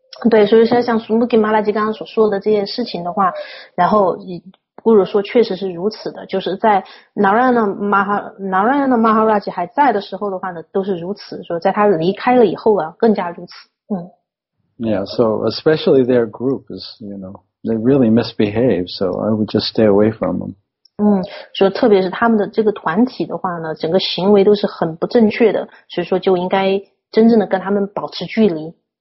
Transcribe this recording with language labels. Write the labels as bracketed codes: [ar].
[zh] 对，所以说像苏穆基马拉吉刚刚所说的这件事情的话，然后不如说确实是如此的，就是在 Narayana Maharaj 还在的时候的话呢，都是如此，说在他离开了以后啊，更加如此。 [en] Yeah, so especially their group is, they really misbehave, so I would just stay away from them. [zh] 说特别是他们的这个团体的话呢，整个行为都是很不正确的，所以说就应该真正的跟他们保持距离。